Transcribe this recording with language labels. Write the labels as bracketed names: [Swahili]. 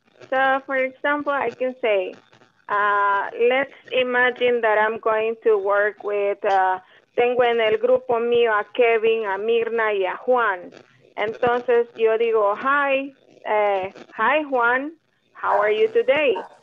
[English] So, for example, I can say, let's imagine that I'm going to work with... [Spanish] Tengo en el grupo mío a Kevin, a Mirna y a Juan. Entonces yo digo, [English] hi, hi Juan, how are you today?